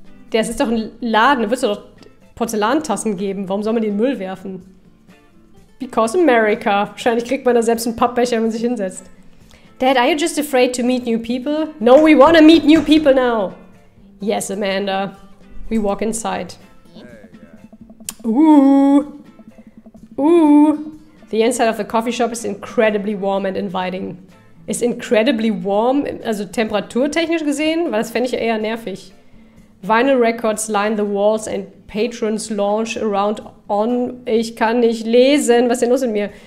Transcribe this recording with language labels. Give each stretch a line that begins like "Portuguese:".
German: Das ist doch ein Laden, da wird es doch Porzellantassen geben. Warum soll man den Müll werfen?
English: Because America.
German: Wahrscheinlich kriegt man da selbst einen Pappbecher, wenn man sich hinsetzt.
English: Dad, are you just afraid to meet new people? No, we wanna meet new people now. Yes, Amanda. We walk inside. Ooh. Ooh. The inside of the coffee shop is incredibly warm and inviting. Is incredibly warm,
German: also temperaturtechnisch gesehen, weil das fände ich eher nervig.
English: Vinyl records line the walls and patrons lounge around on...
German: Ich kann nicht lesen, was ist denn los mit mir?